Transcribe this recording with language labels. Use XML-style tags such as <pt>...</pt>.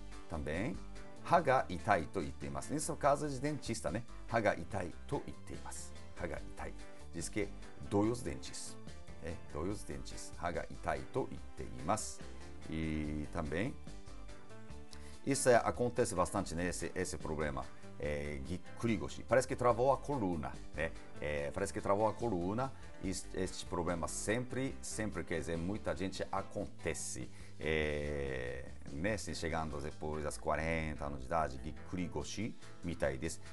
<pt>também</pt> <ja>歯が痛いと言っています。</ja> <pt>nesse caso de dentista, né,</pt> <ja>歯が痛いと言っています。歯が痛い、</ja> <pt>diz que dói os dentes. É, dói os dentes,</pt> <ja>歯が痛いと言っています。</ja> <pt>e também isso acontece bastante, né, esse problema, ぎっくり腰、parece que travou a coluna, né, parece que travou a coluna, este problema sempre, quer dizer, muita gente acontece, né, assim, chegando depois das 40 anos de idade,</pt> <ja>ぎっくり腰みたいです。</ja>